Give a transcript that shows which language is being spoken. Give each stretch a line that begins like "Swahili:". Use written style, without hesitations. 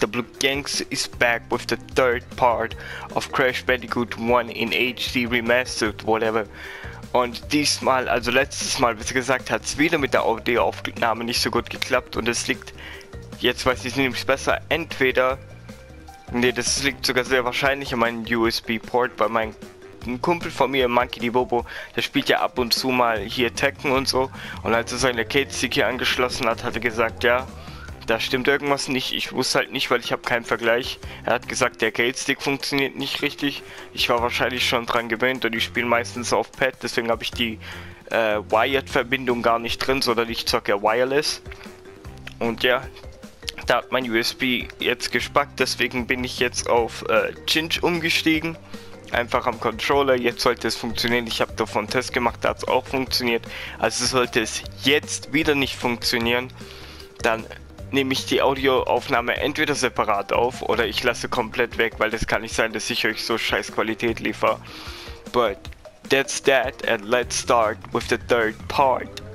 English: The Blue Gangster is back with the third part of Crash Bandicoot 1 in HD Remastered, whatever.
German: Und diesmal, also letztes Mal, wie gesagt, hat es wieder mit der Audioaufnahme nicht so gut geklappt. Und es liegt, jetzt weiß ich nämlich besser, entweder, nee, das liegt sogar sehr wahrscheinlich an meinem USB-Port, weil mein ein Kumpel von mir, Monkey die Bobo, der spielt ja ab und zu mal hier Tekken und so. Und als er seine Kate-Stick hier angeschlossen hat, hat er gesagt, ja, da stimmt irgendwas nicht. Ich wusste halt nicht, weil ich habe keinen Vergleich. Er hat gesagt, der Kate-Stick funktioniert nicht richtig. Ich war wahrscheinlich schon dran gewöhnt und ich spiele meistens auf Pad. Deswegen habe ich die Wired-Verbindung gar nicht drin, sondern ich zocke ja Wireless. Und ja, da hat mein USB jetzt gespackt. Deswegen bin ich jetzt auf Cinch umgestiegen. Einfach am Controller, jetzt sollte es funktionieren. Ich habe davon einen Test gemacht, da hat es auch funktioniert. Also sollte es jetzt wieder nicht funktionieren, dann nehme ich die Audioaufnahme entweder separat auf oder ich lasse komplett weg, weil das kann nicht sein, dass ich euch so scheiß Qualität liefere.
English: But that's that and let's start with the third part.